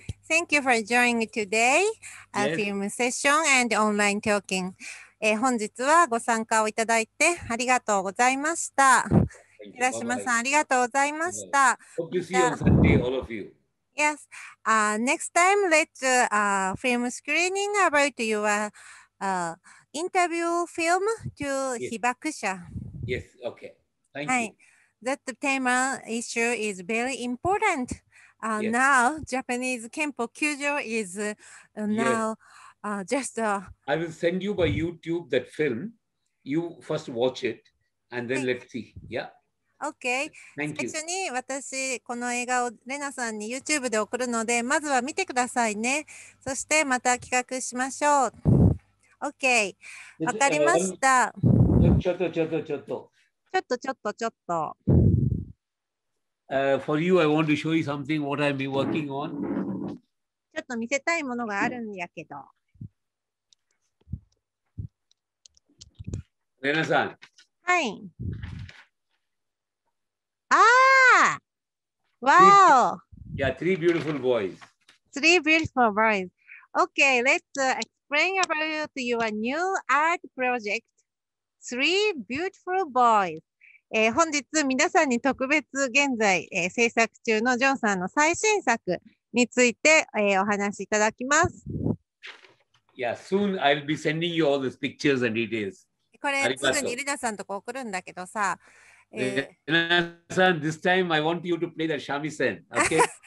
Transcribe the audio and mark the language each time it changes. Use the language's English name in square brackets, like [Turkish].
[English] Thank you for joining today, a film session and online talking. [Japanese] 本日はご参加をいただいてありがとうございました。寺島さん、ありがとうございました。 [English] Hope you see you on Sunday, all of you. Yes.、next time, let's、film screening about your、interview film to、yes. 被爆者。 Yes, okay. Thank you.、はい、that theme issue is very important.、yes. Now, Japanese Kenpo 9条 is、now...、Yes. I will send you by YouTube that film. You first watch it and then let's see. Yeah. OK。 [Japanese] 最初に私、この映画をレナさんに YouTube で送るので、まずは見てくださいね。そしてまた企画しましょう。 OK。 わかりました。ちょっと。 [English] For you, I want to show you something what I've been working on. [Japanese] ちょっと見せたいものがあるんやけど。レナさん。はい。 [English] Wow! Yeah, three beautiful boys. Three beautiful boys. Okay, let's explain about your new art project. Three beautiful boys. [Japanese] 本日皆さんに特別現在、制作中のジョンさんの最新作について、お話しいただきます。 [English] Yeah, soon I'll be sending you all these pictures and details. [Japanese] これすぐにリナさんとこ送るんだけどさ。 [English] Nana-san, this time I want you to play the shamisen, okay?